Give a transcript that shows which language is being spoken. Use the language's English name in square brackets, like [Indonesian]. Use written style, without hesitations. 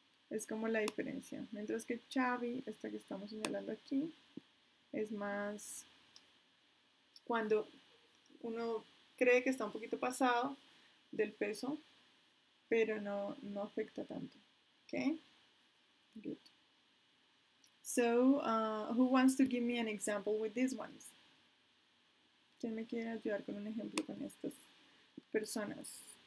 [Spanish] Es como la diferencia. Mientras que chubby, esta que estamos señalando aquí, es más cuando uno cree que está un poquito pasado del peso, pero no afecta tanto, okay? [English] Good. So, who wants to give me an example with these ones? [Spanish] ¿Quién me quiere ayudar con un ejemplo con estas personas?